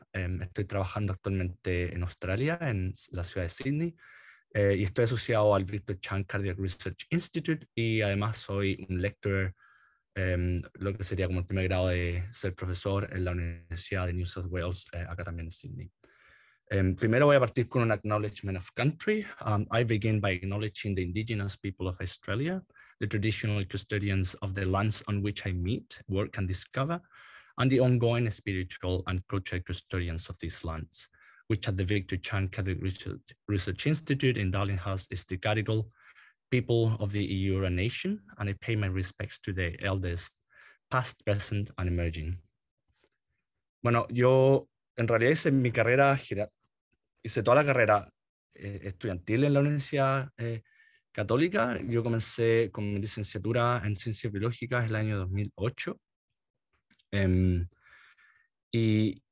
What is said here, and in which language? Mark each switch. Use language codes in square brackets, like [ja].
[es] Estoy trabajando actualmente en Australia, en la ciudad de Sydney. Y estoy asociado al Victor Chan Cardiac Research Institute y además soy un lecturer, lo que sería como el primer grado de ser profesor en la Universidad de New South Wales, acá también en Sydney. Primero voy a partir con un acknowledgement of country. [en] I begin by acknowledging the indigenous people of Australia, the traditional custodians of the lands on which I meet, work and discover, and the ongoing spiritual and cultural custodians of these lands, which at the Victor Chan Cathedral Research Institute in Darlinghurst is the Gadigal people of the Eora Nation, and I pay my respects to the elders, past, present, and emerging. [es] Bueno, yo en realidad hice mi carrera, hice toda la carrera estudiantil en la Universidad Católica. Yo comencé con mi licenciatura en Ciencias Biológicas el año 2008. Y